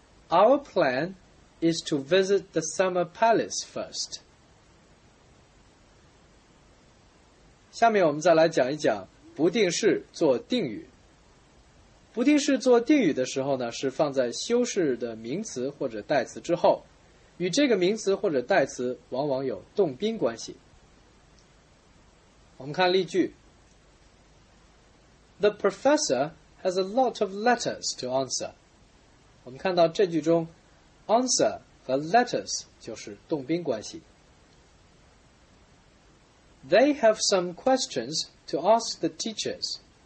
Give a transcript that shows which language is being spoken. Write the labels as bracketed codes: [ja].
[en] Our plan is to visit the summer palace first. [zh] 下面我们再来讲一讲不定式做定语。不定式做定语的时候呢，是放在修饰的名词或者代词之后，与这个名词或者代词往往有动宾关系。我们看例句。 [en] The professor has a lot of letters to answer. [zh] 我们看到这句中 answer 和 letters 就是动宾关系。 [en] They have some questions to ask the teachers.